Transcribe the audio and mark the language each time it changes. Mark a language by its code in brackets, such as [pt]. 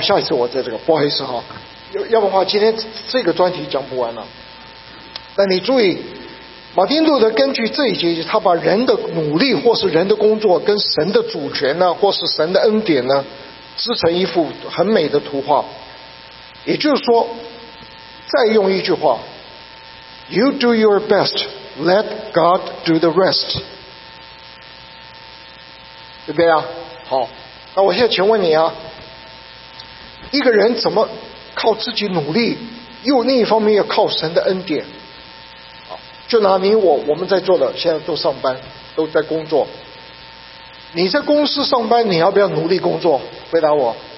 [zh] 下一次我在这个，不好意思哈。要不的话，今天这个专题讲不完了。那你注意，马丁路德根据这一节，他把人的努力或是人的工作跟神的主权呢，或是神的恩典呢，织成一幅很美的图画。也就是说，再用一句话 ， [en] You do your best, let God do the rest， [zh] 对不对啊？好，那我现在请问你啊，一个人怎么靠自己努力，又另一方面要靠神的恩典？就拿你我们在座的，现在都上班，都在工作。你在公司上班，你要不要努力工作？回答我。